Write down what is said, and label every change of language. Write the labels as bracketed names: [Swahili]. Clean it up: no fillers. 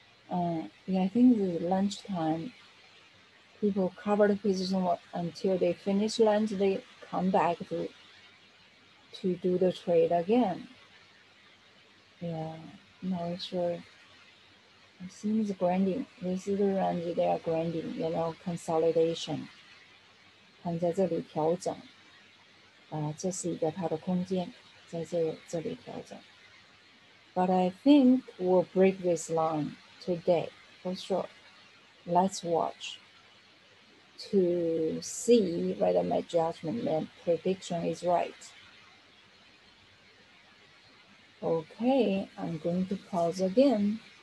[English] I think the lunchtime. People cover the position until they finish lunch, they come back to do the trade again. Yeah, not sure. It seems grinding. This is the range they are grinding, you know, consolidation. [Chinese] 看在这里调整, 这是一个它的空间, 在这里调整. [English] But I think we'll break this line today, for sure. Let's watch. To see whether my judgment and prediction is right. Okay, I'm going to pause again.